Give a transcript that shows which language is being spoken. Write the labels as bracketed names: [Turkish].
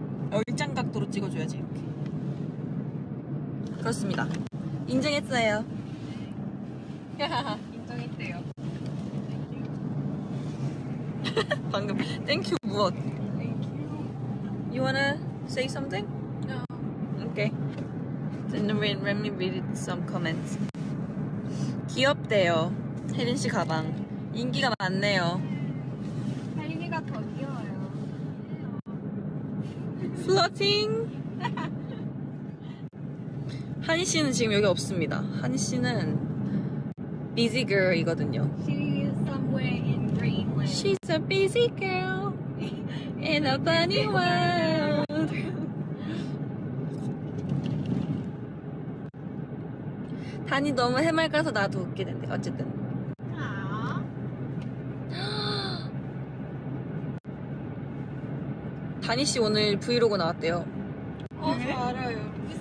[Korean] 얼짱각도로 찍어줘야지, 이렇게. 그렇습니다. 인정했어요. 인정했대요. 방금 thank you 무엇? [English] Thank you. You wanna say something? No. Okay. Then let me read some comments. [Korean] 귀엽대요. 혜린 씨 가방 인기가 많네요. 혜린이가 더 귀여워요. [English] Floating. [Korean] 한희 씨는 지금 여기 없습니다. 한희 씨는 busy girl이거든요. [English] She's somewhere in Greenland. She's a busy girl in a bunny world. [Korean] 단이 너무 해맑아서 나도 웃게 된대. 어쨌든. 아. 단이 씨 오늘 브이로그 나왔대요. 어, 저 알아요.